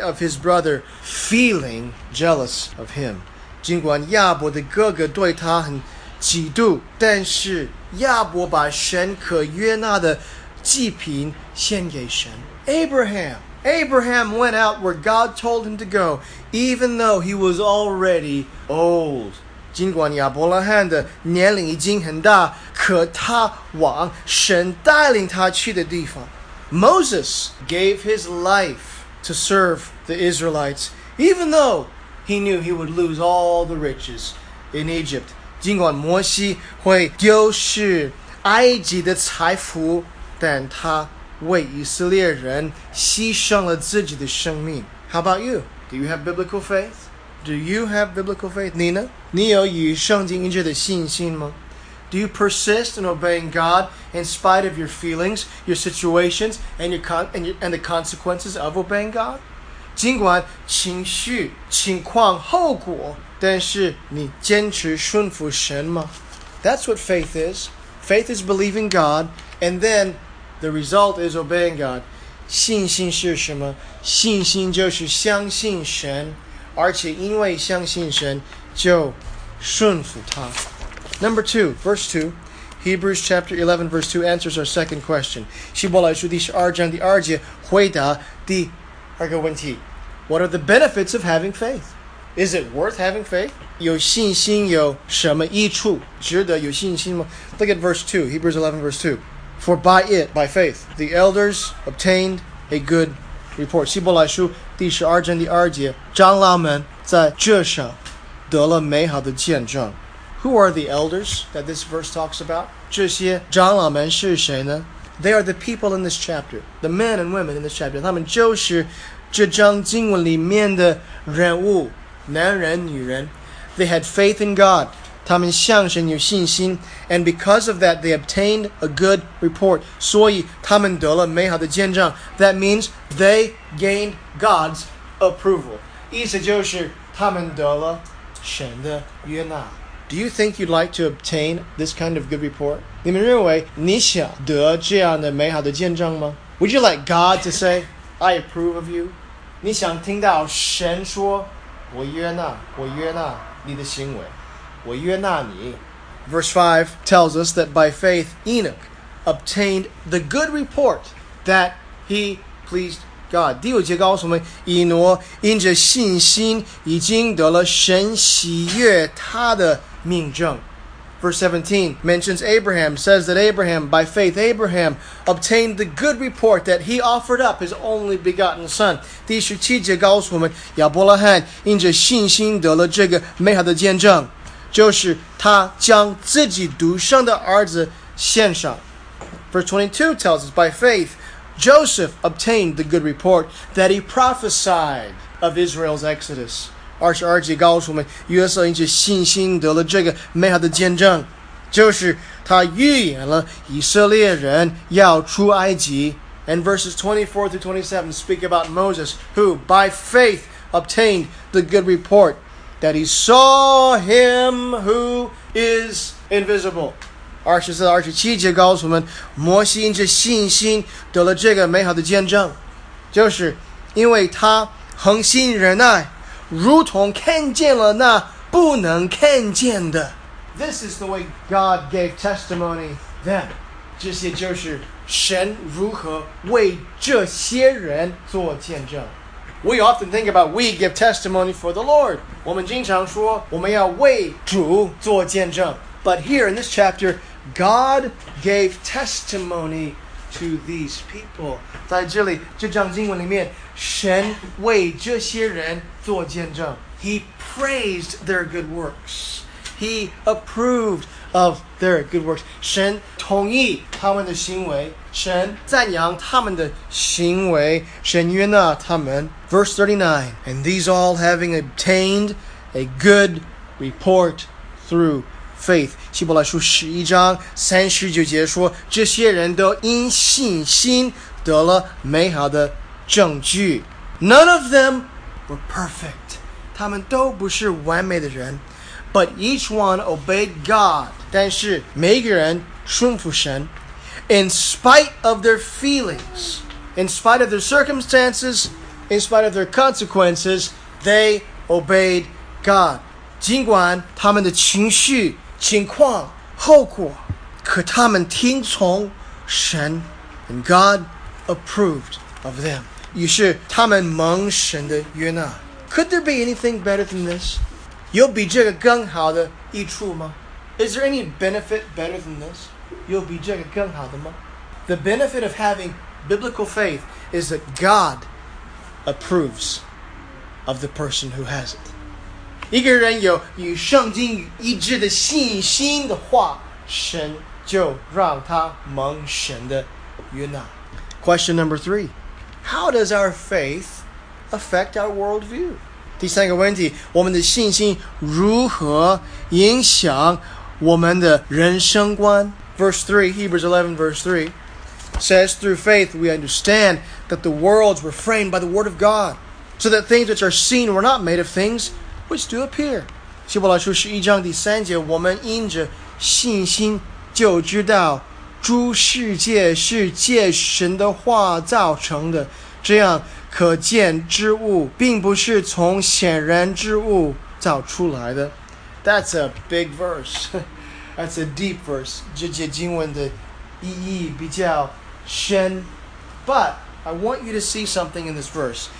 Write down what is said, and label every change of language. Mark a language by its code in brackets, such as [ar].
[en] of his brother feeling jealous of him. [zh] 尽管亚伯的哥哥对他很嫉妒，但是亚伯把神可悦纳的祭品献给神。 [en] Abraham went out where God told him to go, even though he was already old. [zh] 尽管亚伯拉罕的年龄已经很大，可他往神带领他去的地方。 [en] Moses gave his life to serve the Israelites, even though he knew he would lose all the riches in Egypt. [zh] 尽管摩西会丢失埃及的财富，但他为以色列人牺牲了自己的生命。 [en] How about you? Do you have biblical faith? Do you have biblical faith? [zh] 你呢？你有与圣经一致的信心吗？ [en] Do you persist in obeying God in spite of your feelings, your situations, and the consequences of obeying God? [zh] 尽管情绪、情况、后果，但是你坚持顺服神吗？ [en] That's what faith is. Faith is believing God, and then the result is obeying God. [zh] 信心是什么？信心就是相信神。而且因为相信神，就顺服他。 [en] Number two, verse two, Hebrews chapter 11, verse two answers our second question. [zh] 希伯来书第十二章第二节回答第二个问题。 [en] What are the benefits of having faith? Is it worth having faith? [zh] 有信心有什么益处？值得有信心吗？ [en] Look at verse two, Hebrews 11, verse two. For by it, by faith, the elders obtained a good report. [zh] 希伯来书第十二章第二节，长老们在这上得了美好的见证。 [en] Who are the elders that this verse talks about? [zh] 这些长老们是谁呢？ [en] They are the people in this chapter, the men and women in this chapter. [zh] 他们就是这章经文里面的人物，男人女人。 [en] They had faith in God. [zh] 他们向神有信心。 [en] And because of that, they obtained a good report. [zh] 所以他们得了美好的见证。 [en] That means they gained God's approval. [zh] 意思就是他们得了神的悦纳。 [en] Do you think you'd like to obtain this kind of good report? [zh] 你们认为你想得这样的美好的见证吗？ [en] Would you like God to say, I approve of you? [zh] 你想听到神说，我悦纳你的行为，我悦纳你。 [en] Verse 5 tells us that by faith, Enoch obtained the good report that he pleased God. [zh] 第五节告诉我们，以挪因着信心已经得了神喜悦他的命证。 [en] Verse 17 mentions Abraham, says that Abraham, by faith, Abraham obtained the good report that he offered up his only begotten son. [zh] 第十七节告诉我们，亚伯拉罕因着信心得了这个美好的见证。就是他将自己独生的儿子献上。 [en] Verse 22 tells us, by faith, Joseph obtained the good report that he prophesied of Israel's exodus. [zh] 二十二节告诉我们，约瑟因着信心得了这个美好的见证，就是他预言了以色列人要出埃及。 [en] And verses 24 through 27 speak about Moses, who by faith obtained the good report. That he saw him who is invisible. [zh] 二十四、二十七节告诉我们，摩西因着信心得了这个美好的见证，就是因为他恒心忍耐，如同看见了那不能看见的。 [en] This is the way God gave testimony then. [zh] 这些就是神如何为这些人做见证。 [en] We often think about we give testimony for the Lord. [zh] 我们经常说我们要为主做见证。 [en] But here in this chapter, God gave testimony to these people. [zh] 在这里，这章经文里面，神为这些人做见证。 [en] He praised their good works. He approved of their good works. [zh] 神同意他们的行为。神赞扬他们的行为，神悦纳他们。 [en] Verse 39, and these all having obtained a good report through faith. [zh] 希伯来书十一章三十九节说，这些人都因信心得了美好的证据。 [en] None of them were perfect. [zh] 他们都不是完美的人。 [en] But each one obeyed God. [zh] 但是每个人顺服神。 [en] in spite of their feelings, in spite of their circumstances, in spite of their consequences, they obeyed God. [zh] 尽管他们的情绪、情况、后果，可他们听从神。 [en] And God approved of them. [zh] 于是他们蒙神的悦纳。 [en] Could there be anything better than this? [zh] 有比这个更好的益处吗？ [en] Is there any benefit better than this? [zh] 有比这个更好的吗? [en] The benefit of having biblical faith is that God approves of the person who has it. [zh] 一个人有与圣经一致的信心的话，神就让他蒙神的悦纳。 [en] Question number 3. How does our faith affect our worldview? [zh] 第三个问题，我们的信心如何影响我们的人生观。 [en] Verse 3, Hebrews 11, verse 3 says, through faith we understand that the worlds were framed by the word of God, so that things which are seen were not made of things which do appear. [zh] 希伯来书十一章第三节，我们因着信心就知道诸世界是借神的话造成的，这样可见之物并不是从显然之物造出来的。 [en] That's a big verse. That's a deep verse. [zh] 这节经文的意义比较深。 [en] But I want you to see something in this verse.